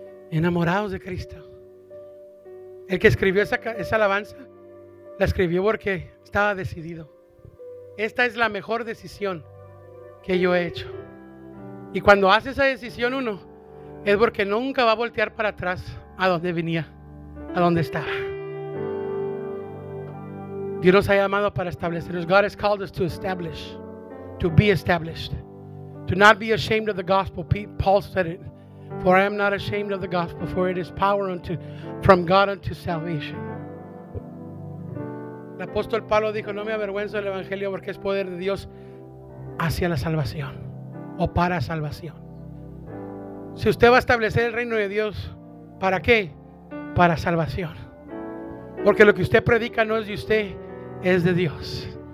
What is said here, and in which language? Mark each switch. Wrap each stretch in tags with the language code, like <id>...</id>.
<es>Enamorados de Cristo. El que escribió esa alabanza, la escribió porque estaba decidido. Esta es la mejor decisión que yo he hecho. Y cuando hace esa decisión uno, es porque nunca va a voltear para atrás a donde venía, a donde estaba. Dios nos ha llamado para establecer.</es> <en>God has called us to establish, to be established, to not be ashamed of the gospel. Paul said it, for I am not ashamed of the gospel, for it is power unto, from God unto salvation.</en> <es>El apóstol Pablo dijo, no me avergüenzo del evangelio porque es poder de Dios hacia la salvación o para salvación. Si usted va a establecer el reino de Dios, ¿para qué? Para salvación. Porque lo que usted predica no es de usted, es de Dios.</es>